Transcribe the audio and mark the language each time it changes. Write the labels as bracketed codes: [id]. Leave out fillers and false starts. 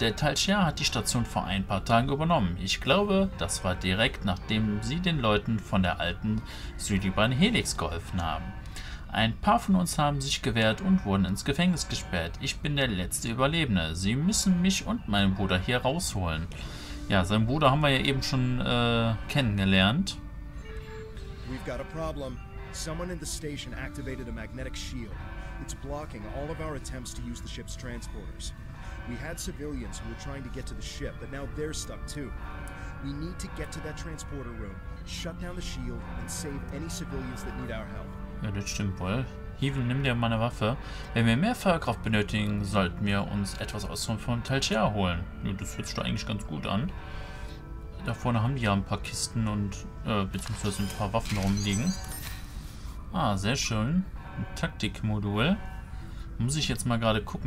[de] Der Tal'Shiar hat die Station vor ein paar Tagen übernommen. Ich glaube, das war direkt, nachdem Sie den Leuten von der alten Südibahn Helix geholfen haben. Ein paar von uns haben sich gewehrt und wurden ins Gefängnis gesperrt. Ich bin der letzte Überlebende. Sie müssen mich und meinen Bruder hier rausholen. Ja, seinen Bruder haben wir ja eben schon kennengelernt. [en] We've got a problem. Someone in the station activated a magnetic shield. It's blocking all of our attempts to use the ship's transporters. We had civilians who were trying to get to the ship, but now they're stuck too. We need to get to that transporter room, shut down the shield and save any civilians that need our help. [de] Ja, das stimmt wohl. Heaven, nimm dir meine Waffe. Wenn wir mehr Feuerkraft benötigen, sollten wir uns etwas aus vom Tal'Shiar holen. Ja, das hört sich doch eigentlich ganz gut an. Da vorne haben die ja ein paar Kisten und beziehungsweise ein paar Waffen rumliegen. Ah, sehr schön. Ein Taktikmodul. Muss ich jetzt mal gerade gucken.